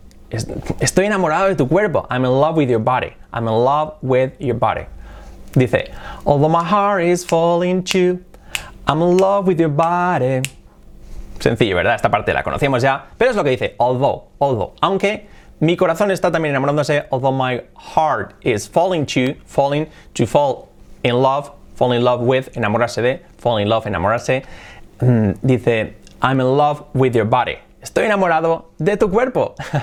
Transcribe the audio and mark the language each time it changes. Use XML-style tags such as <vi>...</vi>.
<es>Estoy enamorado de tu cuerpo.</es> <en>I'm in love with your body. I'm in love with your body.</en> <es>Dice,</es> <en>although my heart is falling too, I'm in love with your body.</en> <es>Sencillo, ¿verdad? Esta parte la conocíamos ya, pero es lo que dice, although, aunque... Mi corazón está también enamorándose,</es> <en>although my heart is falling, to fall in love, fall in love with,</en> <es>enamorarse de, fall in love, enamorarse.</es> <en>Dice, I'm in love with your body.</en> <es>Estoy enamorado de tu cuerpo.</es>